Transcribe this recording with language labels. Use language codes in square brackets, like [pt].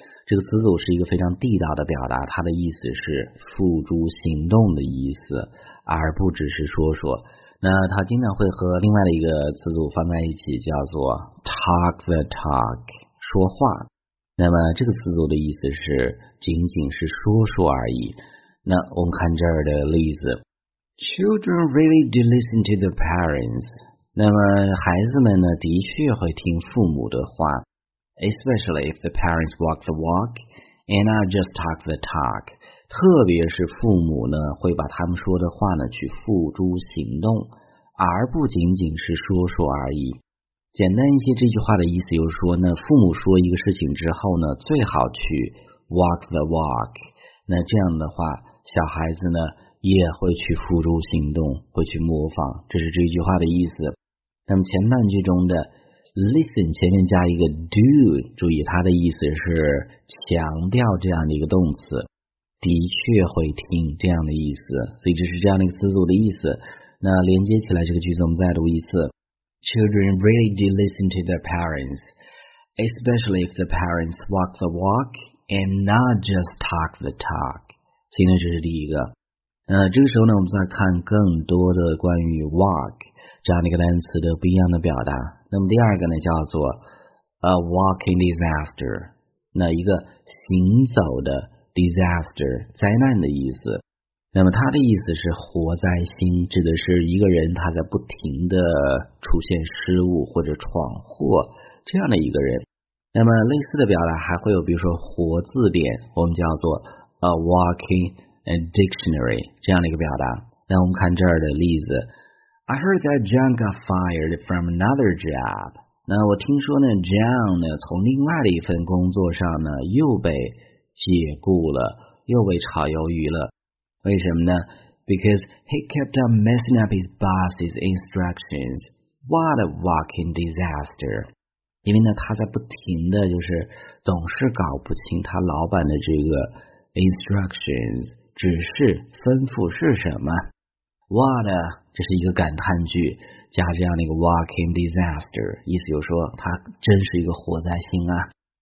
[zh] 这个词组是一个非常地道的表达，它的意思是付诸行动的意思，而不只是说说。那它经常会和另外的一个词组放在一起，叫做 talk the talk。说话，那么这个词组的意思是仅仅是说说而已。那我们看这儿的例子 ， [en] Children really do listen to their parents。 [zh] 那么孩子们呢，的确会听父母的话 [en] ，especially if the parents walk the walk and are just talk the talk。 [zh] 特别是父母呢，会把他们说的话呢去付诸行动，而不仅仅是说说而已。简单一些，这句话的意思就是说呢，父母说一个事情之后呢，最好去 walk the walk。那这样的话，小孩子呢也会去付诸行动，会去模仿，这是这句话的意思。那么前半句中的 listen 前面加一个 do， 注意它的意思是强调这样的一个动词，的确会听这样的意思，所以这是这样的一个词组的意思。那连接起来这个句子，我们再读一次。 [en] Children really do listen to their parents, especially if the parents walk the walk and not just talk the talk. [zh] 所以呢，这是第一个。这个时候呢，我们再看更多的关于 walk 这样的一个单词的不一样的表达。那么第二个呢，叫做 a walking disaster， 那一个行走的 disaster 灾难的意思。那么它的意思是活灾星，指的是一个人他在不停的出现失误或者闯祸这样的一个人。那么类似的表达还会有，比如说活字典，我们叫做 a walking dictionary 这样的一个表达。 [en] 那我们看这儿的例子 ，I heard that John got fired from another job。 [zh] 那我听说呢 ，John 呢从另外的一份工作上呢又被解雇了，又被炒鱿鱼了。为什么呢 [en] ？Because he kept on messing up his boss's instructions. What a walking disaster! [zh] 因为呢，他在不停的就是总是搞不清他老板的这个 instructions 指示吩咐是什么。 What a 这是一个感叹句，加这样的一个 walking disaster， 意思就是说他真是一个活灾星啊。